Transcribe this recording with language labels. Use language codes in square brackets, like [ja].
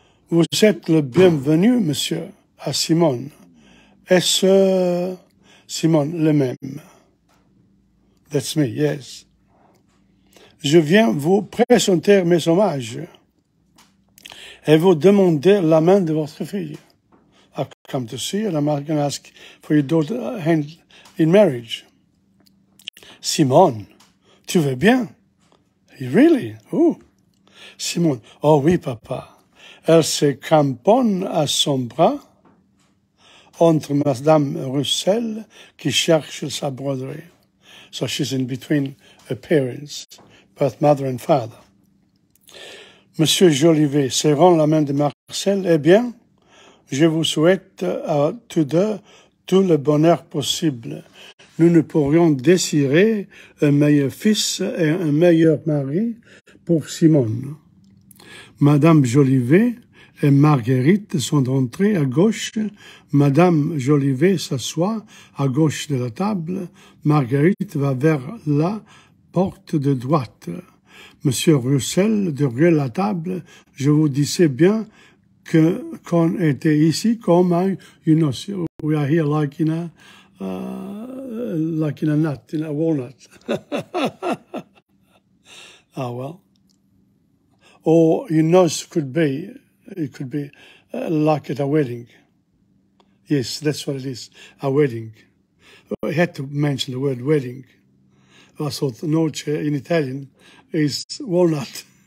[fr] Vous êtes le bienvenu, monsieur, à Simone. Est-ce Simone le même? [en] That's me, yes. [fr] je viens vous présenter mes hommages et vous demander la main de votre fille. [en] I've come to see you and I'm going to ask for your daughter's hand in marriage. [fr] Simone, tu veux bien? [en] Really? Ooh. [fr] Simone, oh oui, papa. Elle se cramponne à son bras entre Madame Russell qui cherche sa broderie. [en] So she's in between her parents, both mother and father. [fr] Monsieur Jolivet, serrant la main de Marcel, eh bien, je vous souhaite à tous deux tout le bonheur possible. Nous ne pourrions désirer un meilleur fils et un meilleur mari pour Simone. Madame Jolivet et Marguerite sont entrées à gauche. Madame Jolivet s'assoit à gauche de la table. Marguerite va vers la porte de droite. Monsieur Russell, derrière la table, je vous disais bien que qu'on était ici comme [en] we are here like in a nut, in a walnut. Ah, well. Or your nose could be like at a wedding. Yes, that's what it is, a wedding. I had to mention the word wedding. I thought noce in Italian is walnut.